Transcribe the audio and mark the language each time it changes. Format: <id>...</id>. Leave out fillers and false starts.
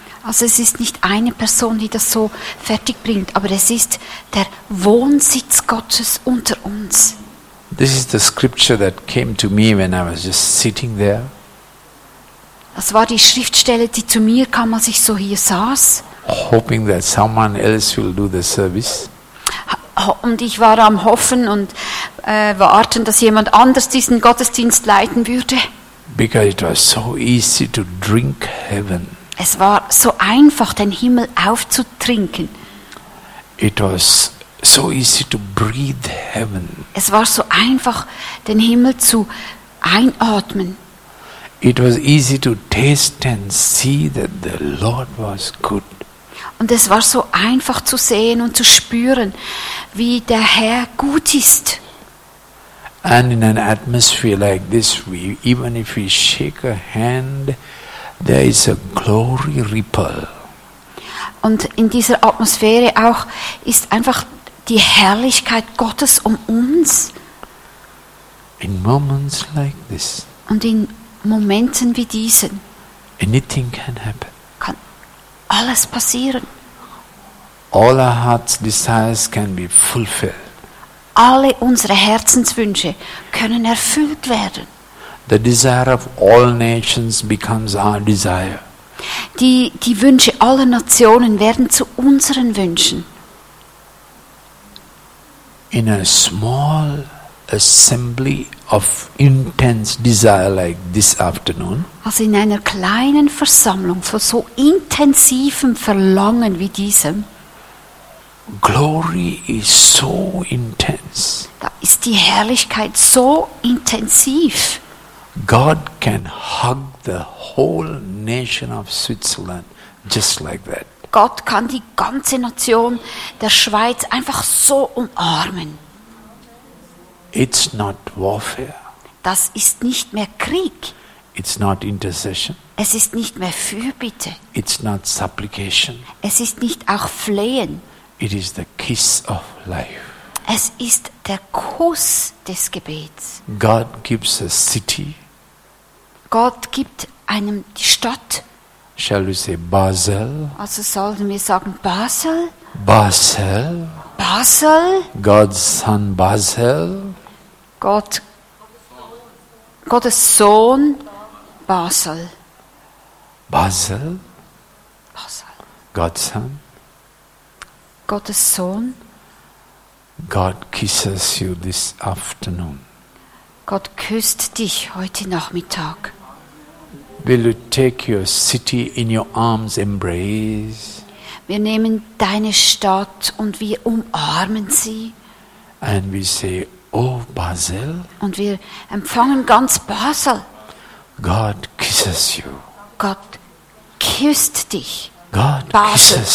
<de>Also es ist nicht eine Person, die das so fertig bringt, aber es ist der Wohnsitz Gottes unter uns.</de> <en>This is the scripture that came to me when I was just sitting there.</en> <de>Das war die Schriftstelle, die zu mir kam, als ich so hier saß.</de> <en>Hoping that someone else will do the service.</en> <de>Und ich war am Hoffen und warten, dass jemand anders diesen Gottesdienst leiten würde.</de> <en>Because it was so easy to drink heaven.</en> <de>Es war so einfach, den Himmel aufzutrinken.</de> <en>It was so easy to breathe heaven.</en> <de>Es war so einfach, den Himmel zu einatmen.</de> <en>It was easy to taste and see that the Lord was good.</en> <de>Und es war so einfach zu sehen und zu spüren, wie der Herr gut ist.</de> <en>And in an atmosphere like this, we, even if we shake a hand, there is a glory ripple.</en> <de>Und in dieser Atmosphäre auch ist einfach die Herrlichkeit Gottes um uns.</de> <en>In moments like this.</en> <de>Und in Momenten wie diesen.</de> <en>Anything can happen.</en> <de>Kann alles passieren.</de> <en>All our heart's desires can be fulfilled.</en> <de>Alle unsere Herzenswünsche können erfüllt werden.</de> <en>The desire of all nations becomes our desire.</en> <de>Die Wünsche aller Nationen werden zu unseren Wünschen.</de> <en>In a small assembly of intense desire like this afternoon.</en> <de>Also in einer kleinen Versammlung von so intensivem Verlangen wie diesem.</de> <en>Glory is so intense.</en> <de>Da ist die Herrlichkeit so intensiv.</de> <en>God can hug the whole nation of Switzerland just like that.</en> <de>Gott kann die ganze Nation der Schweiz einfach so umarmen.</de> <en>It's not warfare.</en> <de>Das ist nicht mehr Krieg.</de> <en>It's not intercession.</en> <de>Es ist nicht mehr Fürbitte.</de> <en>It's not supplication.</en> <de>Es ist nicht auch Flehen.</de> <en>It is the kiss of life.</en> <de>Es ist der Kuss des Gebets.</de> <en>God gives a city.</en> <de>Gott gibt einem die Stadt.</de> <en>Shall we say Basel?</en> <de>Also sollten wir sagen Basel?</de> <en>Basel.</en> <de>Basel.</de> <en>God's son Basel.</en> <de>Gottes Sohn Basel.</de> <en>Basel.</en> <de>Basel.</de> <en>God's son.</en> <de>Gottes Sohn.</de> <en>God kisses you this afternoon.</en> <de>Gott küsst dich heute Nachmittag.</de> <en>Will you take your city in your arms embrace?</en> <de>Wir nehmen deine Stadt und wir umarmen sie.</de> <en>And we say, oh Basel.</en> <de>Und wir empfangen ganz Basel.</de> <en>God kisses you.</en> <de>Gott küsst dich.</de> <en>God Basel, kisses</en>